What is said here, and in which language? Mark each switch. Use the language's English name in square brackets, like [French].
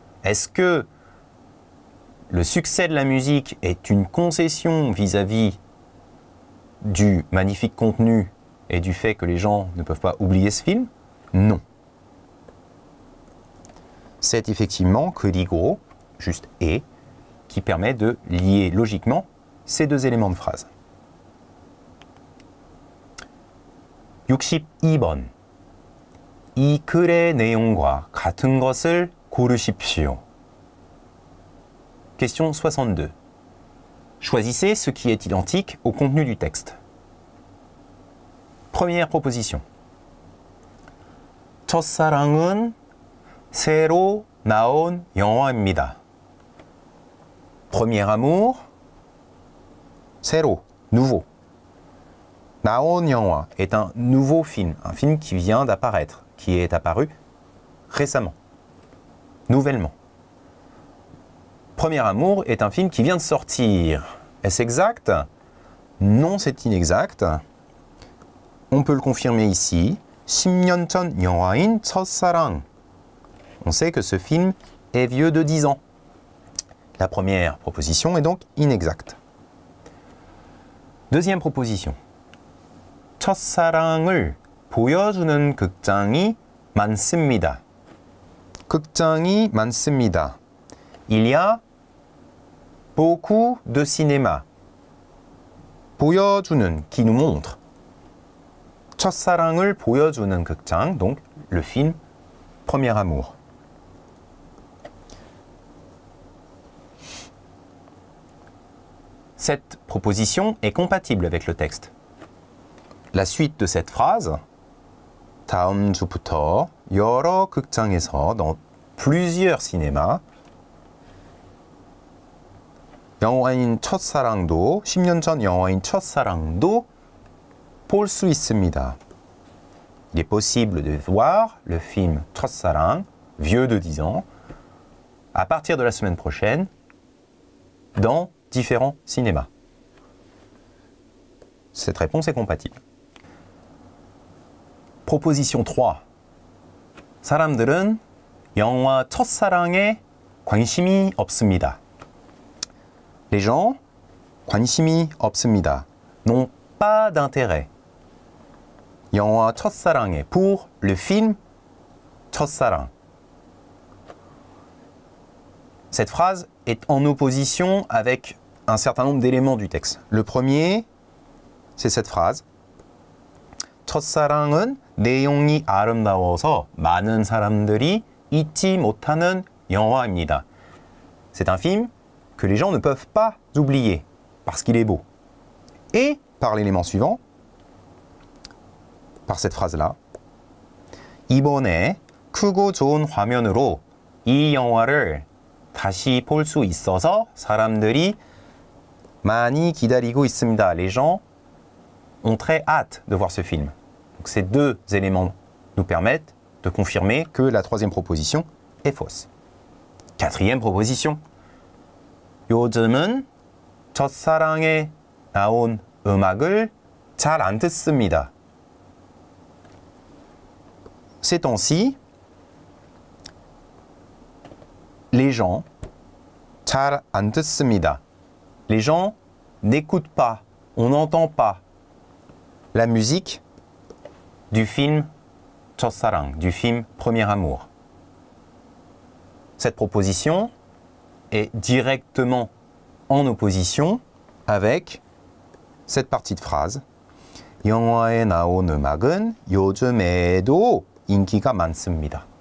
[French] Est-ce que le succès de la musique est une concession vis-à-vis du magnifique contenu et du fait que les gens ne peuvent pas oublier ce film? Non. C'est effectivement 그리고, juste « et », qui permet de lier logiquement ces deux éléments de phrase. [Korean] 62번 이 글의 내용과 같은 것을 고르십시오. [French] Question 62. Choisissez ce qui est identique au contenu du texte. Première proposition. [Korean] 첫사랑은 새로 나온 영화입니다. [French] Premier amour, [Korean] 새로, nouveau. 나온 영화 [French] est un nouveau film, un film qui vient d'apparaître, qui est apparu récemment, nouvellement. Premier amour est un film qui vient de sortir. Est-ce exact? Non, c'est inexact. On peut le confirmer ici. [Korean] 10년 전 영화인 첫사랑. [French] On sait que ce film est vieux de 10 ans. La première proposition est donc inexacte. Deuxième proposition. [Korean] 첫사랑을 보여주는 극장이 많습니다. 극장이 많습니다. [French] Il y a beaucoup de cinéma. [Korean] 보여주는, [French] qui nous montre. [Korean] 첫사랑을 보여주는 극장, [French] donc le film Premier Amour. Cette proposition est compatible avec le texte. La suite de cette phrase, [Korean] 다음 주부터 여러 극장에서, [French] dans plusieurs cinémas, [Korean] 영화인 첫사랑도, 10년 전 영화인 첫사랑도 볼 수 있습니다. [French] Il est possible de voir le film 첫사랑, vieux de 10 ans, à partir de la semaine prochaine, dans différents cinémas. Cette réponse est compatible. Proposition 3. [Korean] 사람들은 영화 첫사랑에 관심이 없습니다. [French] Les gens, [Korean] 관심이 없습니다, [French] n'ont pas d'intérêt. [Korean] 영화 첫사랑에, [French] pour le film 첫사랑. Cette phrase est en opposition avec un certain nombre d'éléments du texte. Le premier, c'est cette phrase. [Korean] 첫사랑은 내용이 아름다워서 많은 사람들이 잊지 못하는 영화입니다. [French] C'est un film que les gens ne peuvent pas oublier parce qu'il est beau. Et par l'élément suivant, par cette phrase-là, [Korean] 이번에 크고 좋은 화면으로 이 영화를 다시 볼 수 있어서 사람들이 많이 기다리고 있습니다. [French] Les gens ont très hâte de voir ce film. Donc ces deux éléments nous permettent de confirmer que la troisième proposition est fausse. Quatrième proposition. [Korean] 요즘은 첫사랑에 나온 음악을 잘 안 듣습니다. [French] Ces temps-ci, les gens [Korean] 잘 안 듣습니다. [French] Les gens n'écoutent pas, on n'entend pas la musique du film 첫사랑, du film Premier amour. Cette proposition est directement en opposition avec cette partie de phrase. [Korean] 영화에 나온 음악은 요즘에도 인기가 많습니다.